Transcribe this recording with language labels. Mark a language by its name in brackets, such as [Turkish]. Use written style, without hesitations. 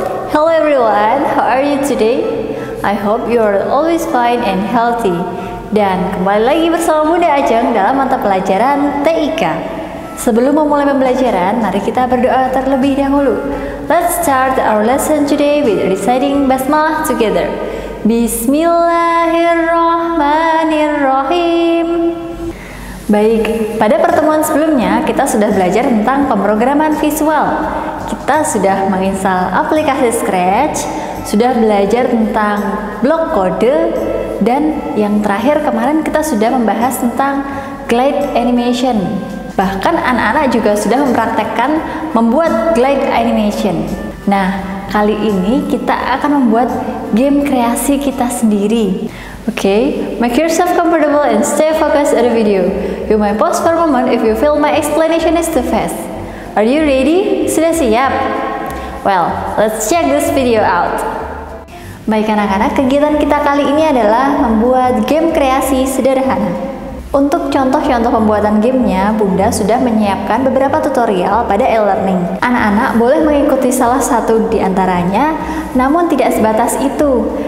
[English] Hello everyone, how are you today? I hope you are always fine and healthy. [Indonesian] Dan kembali lagi bersama Bunda Ajeng dalam mata pelajaran TIK. Sebelum memulai pembelajaran, mari kita berdoa terlebih dahulu. [English] Let's start our lesson today with reciting basmalah together. [Arabic] Bismillahirrahmanirrahim. [Indonesian] Baik, pada pertemuan sebelumnya kita sudah belajar tentang pemrograman visual. Kita sudah menginstal aplikasi Scratch, sudah belajar tentang blok kode, dan yang terakhir kemarin kita sudah membahas tentang glide animation. Bahkan anak-anak juga sudah mempraktekkan membuat glide animation. Nah, kali ini kita akan membuat game kreasi kita sendiri. [English] Okay, make yourself comfortable and stay focused at the video. You may pause for a moment if you feel my explanation is too fast. Are you ready? [Indonesian] Sudah siap? [English] Well, let's check this video out. [Indonesian] Baik anak-anak, kegiatan kita kali ini adalah membuat game kreasi sederhana. Untuk contoh-contoh pembuatan gamenya, Bunda sudah menyiapkan beberapa tutorial pada e-learning. Anak-anak boleh mengikuti salah satu di antaranya, namun tidak sebatas itu.